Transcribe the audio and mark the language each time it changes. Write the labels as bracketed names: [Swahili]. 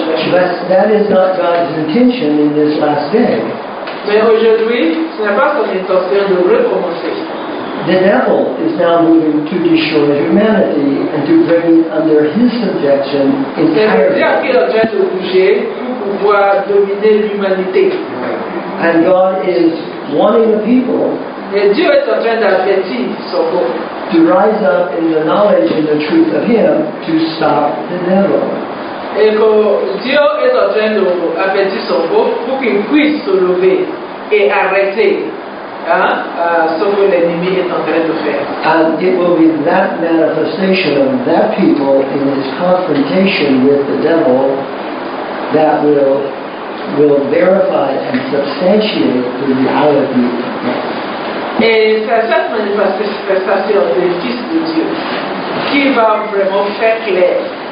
[English] But that is not God's intention in this last day. [French] Mais aujourd'hui, ce n'est pas son intention de recommencer. [English] The devil is now moving to destroy humanity and to bring under his subjection entirely. And God is wanting the people to rise up in the knowledge and the truth of him to stop the devil. [French] Et que Dieu est en train d'appeler son peuple pour qu'il puisse se lever et arrêter ce que l'ennemi est en train de faire. [English] And it will be that manifestation of that people in his confrontation with the devil that will verify and substantiate the reality of God. [French] Et c'est cette manifestation du Fils de Dieu qui va vraiment faire clair.